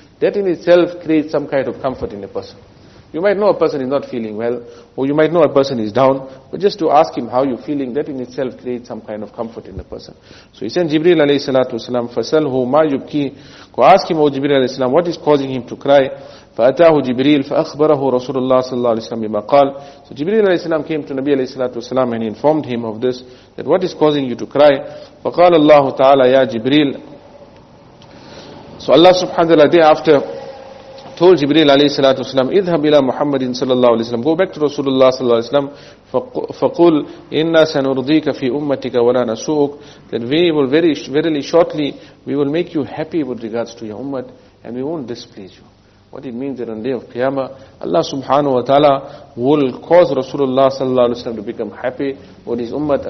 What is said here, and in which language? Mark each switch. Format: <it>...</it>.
<en>That in itself creates some kind of comfort in a person. You might know a person is not feeling well, or you might know a person is down, but just to ask him how you're feeling, that in itself creates some kind of comfort in the person. So he sent Jibreel alayhi salatu wasalam,</en> <ar>فَسَلْهُ مَا يُبْكِي,</ar> <en>go ask him, O Jibreel alayhi salam, what is causing him to cry?</en> <ar>فأتاه جبريل فأخبره رسول الله صلى الله عليه وسلم بما قال.</ar> <en>So Jibreel عليه السلام came to Nabi عليه الصلاة والسلام and he informed him of this, that what is causing you to cry.</en> <ar>فقال الله تعالى يا جبريل.</ar> <en>So Allah سبحانه وتعالى day after told Jibreel</en> <ar>عليه الصلاة والسلام اذهب إلى محمد صلى الله عليه وسلم,</ar> <en>go back to</en> <ar>رسول الله صلى الله عليه وسلم. فقل إنا سنرضيك في أمتك ولا نسوءك,</ar> <en>that we will verily shortly we will make you happy with regards to your ummah and we won't displease you. What it means that on the day of Qiyamah, Allah subhanahu wa ta'ala will cause Rasulullah sallallahu alayhi wa sallam to become happy with his ummah.</en>